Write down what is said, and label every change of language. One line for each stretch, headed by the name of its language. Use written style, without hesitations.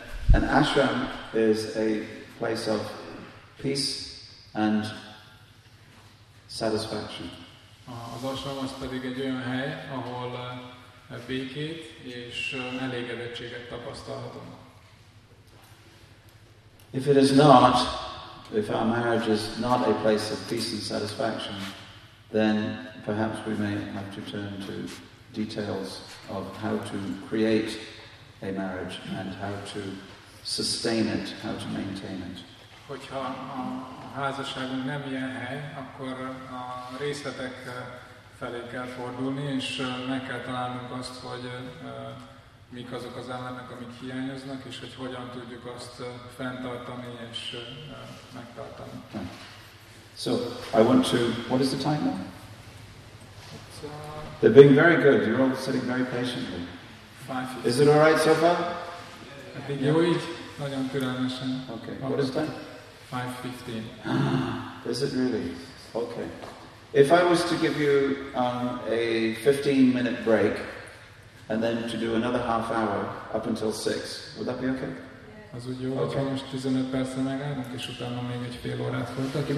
English: An ashram is a place of peace and satisfaction.
Hungarian: Az ashram az pedig egy olyan hely, ahol békét és elégedettséget tapasztalhatunk.
English: If it is not, if our marriage is not a place of peace and satisfaction, then perhaps we may have to turn to details of how to create a marriage and how to sustain it, how to maintain it.
Hungarian: Hogyha a házasságunk nem ilyen hely, akkor a részletek felé kell fordulni, és meg kell találnunk azt, hogy mik azok az elemek, amik hiányoznak, és hogy hogyan tudjuk azt fenntartani és megtartani.
English: So, I want to... What is the time now? They're being very good. You're all sitting very patiently. Is it all right so far? I think you're yeah.
Hungarian: Nagyon türelmesen.
English: Okay, what is time? 5:15. Is it really? Okay. If I was to give you a 15-minute break, and then to do another half hour up until 6, would that be okay?
Hungarian: Az úgy jó, hogyha most 15 percre megállunk, és utána még egy fél órát folytatjuk.